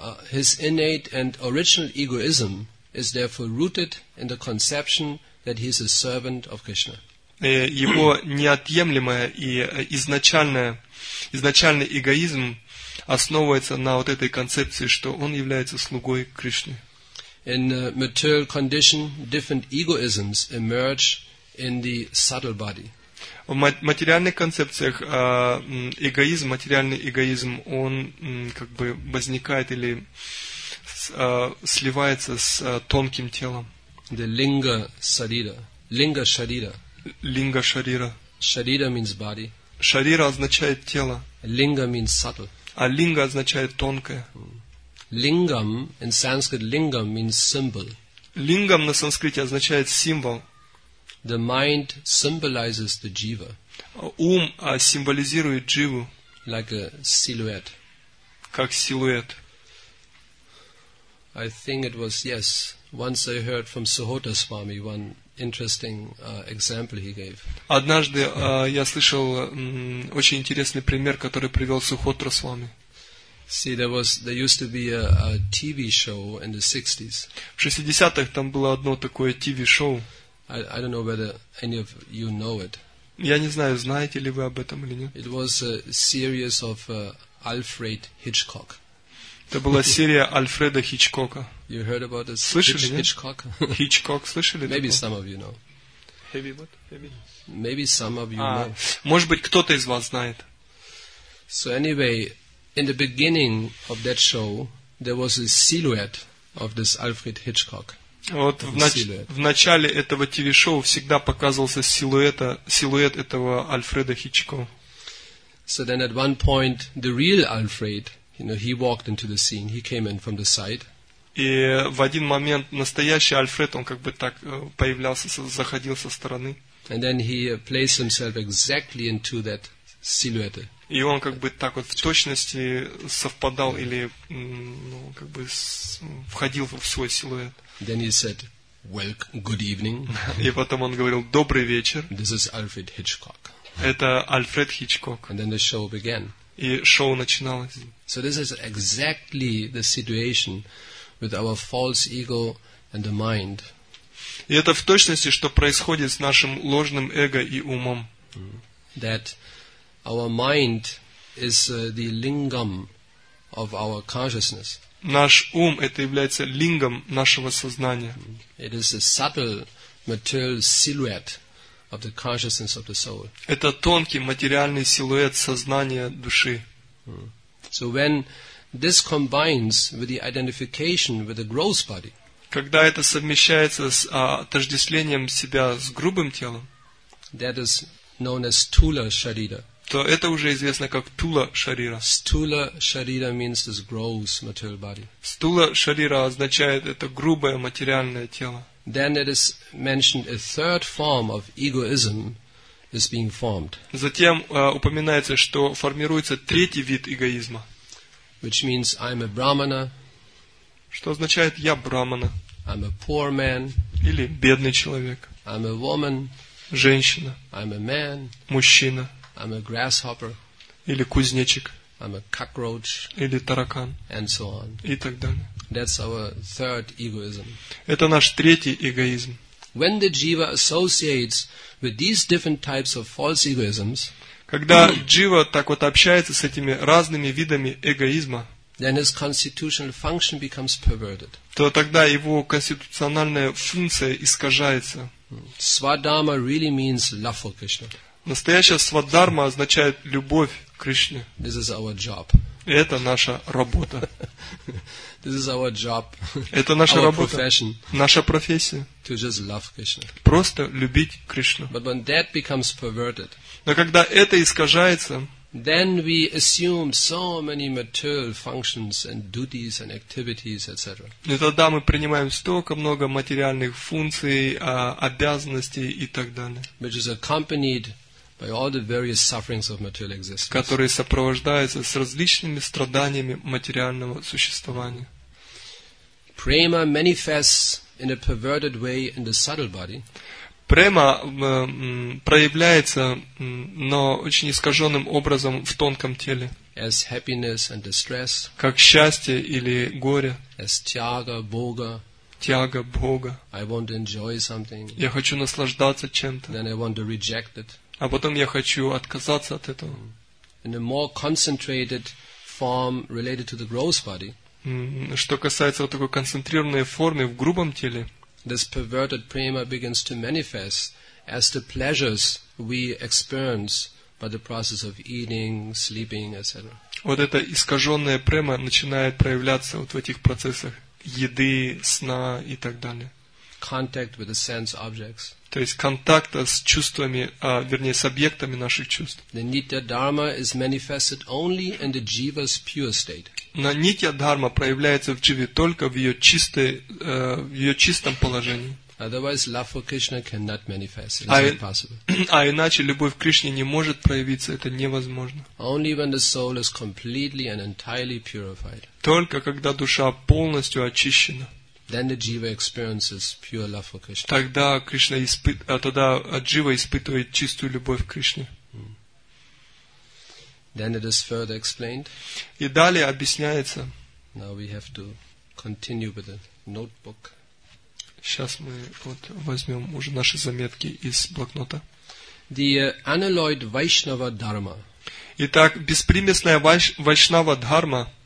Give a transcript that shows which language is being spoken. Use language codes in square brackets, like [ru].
[en] His innate and original egoism is therefore rooted in the conception that he is a servant of Krishna. [ru] Его неотъемлемое и изначальный эгоизм основывается на вот этой концепции, что он является слугой Кришны. [en] In the material condition, different egoisms emerge in the subtle body. [ru] В материальных концепциях эгоизм, материальный эгоизм, он как бы возникает или сливается с тонким телом. [en] The linga sarira, linga sharira. [ru] Линга шарира. [en] Шарира means body. [ru] Шарира означает тело. [en] Линга means subtle. [ru] А линга означает тонкое. [en] Лингам in Sanskrit lingam means symbol. [ru] Лингам на санскрите означает символ. [en] The mind symbolizes the jiva. [ru] Ум символизирует дживу. [en] Like a silhouette. [ru] Как силуэт. [en] I think it was yes. Once I heard from Suhota Swami one. Interesting example he gave. [ru] Однажды я слышал очень интересный пример, который привел Сухотра Свами. [en] See, there used to be a TV show in the 60s. [ru] В 60-х там было одно такое TV-шоу. [en] I don't know whether any of you know it. [ru] Я не знаю, знаете ли вы об этом или нет. [en] It was a series of Alfred Hitchcock. [ru] Это была серия Альфреда Хичкока. [en] You heard about this? [ru] Слышали, [en] Hitchcock? [ru] Hitchcock, слышали? [en] Maybe some of you know. Heavy what? Heavy. Maybe some of you know. [ru] Может быть, кто-то из вас знает. [en] So anyway, in the beginning of that show, there was a silhouette of this Alfred Hitchcock. [ru] Вот в начале этого телешоу всегда показывался силуэт этого Альфреда Хичкока. [en] So then at one point, the real Alfred, you know, he walked into the scene, he came in from the side. [ru] И в один момент настоящий Альфред, он как бы так появлялся, заходил со стороны. [en] And then he placed himself exactly into that silhouette. [ru] И он как бы так вот в точности совпадал или ну, как бы входил в свой силуэт. [en] Then he said, "Well, good evening." [ru] И потом он говорил, "Добрый вечер." [en] This is Alfred Hitchcock. [ru] Это Альфред Хичкок. [en] And then the show began. [ru] И шоу начиналось. [en] So this is exactly the situation with our false ego and the mind. [ru] И это в точности, что происходит с нашим ложным эго и умом. [en] That our mind is the lingam of our consciousness. [ru] Наш ум это является лингом нашего сознания. [en] It is a subtle material silhouette of the consciousness of the soul. [ru] Это тонкий материальный силуэт сознания души. [en] So when this combines with the identification with the gross body, [ru] когда это совмещается с отождествлением себя с грубым телом, [en] that is known as stula sharira. [ru] То это уже известно как тула шарира. [en] Stula sharira means this gross material body. [ru] Стула шарира означает это грубое материальное тело. [en] Then it is mentioned a third form of egoism is being formed. [ru] Затем упоминается, что формируется третий вид эгоизма. [en] Which means I'm a brahmana. [ru] Что означает я брахмана? [en] I'm a poor man. [ru] Или бедный человек. [en] I'm a woman. [ru] Женщина. [en] I'm a man. [ru] Мужчина. [en] I'm a grasshopper. [ru] Или кузнечик. [en] I'm a cockroach. [ru] Или таракан. [en] And so on. [ru] И так далее. [en] That's our third egoism. [ru] Это наш третий эгоизм. [en] When the jiva associates with these different types of false egoisms, [ru] когда джива так вот общается с этими разными видами эгоизма, [en] then his constitutional function becomes perverted. [ru] То тогда его конституциональная функция искажается. [en] Свадхарма really means love for Krishna. [ru] Настоящая свадхарма означает любовь к Кришне. [en] This is our job. [ru] Это наша работа. [en] This is our job. [ru] Это наша [en] our [ru] работа. [en] Profession. [ru] Наша профессия. [en] To just love Krishna. [ru] Просто любить Кришну. [en] But when that becomes perverted, [ru] но когда это искажается, [en] then we assume so many material functions and duties and activities, etc. [ru] И тогда мы принимаем столько много материальных функций, обязанностей и так далее. [en] Which is accompanied by all the various sufferings of material existence. [ru] Которые сопровождаются с различными страданиями материального существования. [en] Prema manifests in a perverted way in the subtle body. [ru] Према проявляется, но очень искаженным образом в тонком теле. [en] As happiness and distress. [ru] Как счастье или горе. [en] As тяга, бога. [ru] Тяга, бога. [en] I want to enjoy something. [ru] Я хочу наслаждаться чем-то. [en] Then I want to reject it. [ru] А потом я хочу отказаться от этого. [en] In a more concentrated form related to the gross body. [ru] Что касается вот такой концентрированной формы в грубом теле. [en] This perverted prema begins to manifest as the pleasures we experience by the process of eating, sleeping, etc. [ru] Вот эта искаженная према начинает проявляться вот в этих процессах еды, сна и так далее. [en] Contact with the sense objects. [ru] То есть контакта с чувствами, вернее с объектами наших чувств. [en] The nitya dharma is manifested only in the jiva's pure state. [ru] На нитья дхарма проявляется в дживе только в ее чистой, в ее чистом положении. [en] Otherwise, love for Krishna cannot manifest. [ru] А иначе любовь к Кришне не может проявиться, это невозможно. [en] Only when the soul is completely and entirely purified. [ru] Только когда душа полностью очищена. [en] Then the jiva experiences pure love for Krishna. [ru] Тогда Кришна тогда джива испытывает чистую любовь к Кришне. [en] Then it is further explained. [ru] И далее объясняется. [en] Now we have to continue with the notebook. [ru] Сейчас мы вот возьмем уже наши заметки из блокнота. [en] The unalloyed Vaishnava dharma. [ru] Итак, беспримесная Вайшнава дхарма.